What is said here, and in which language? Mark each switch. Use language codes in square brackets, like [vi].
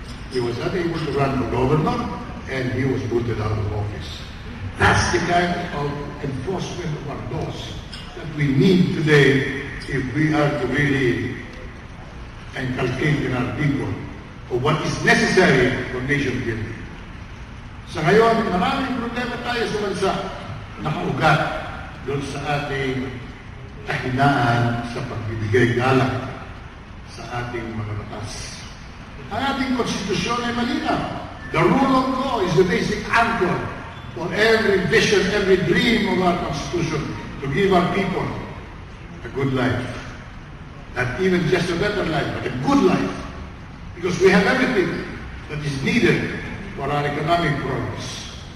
[en] He was unable to run for governor and he was booted out of office. That's the kind of enforcement of our laws that we need today if we are to really inculcate in our people of what is necessary for nation building. [tl] Sa ngayon, maraming problema tayo sa bansa na kaugat doon sa ating kahinaan sa pagbibigay gala sa ating mga batas. Ang ating konstitusyon ay malinaw. [en] The rule of law is the basic anchor for every vision, every dream of our constitution to give our people a good life. Not even just a better life, but a good life. Because we have everything that is needed for our economic progress.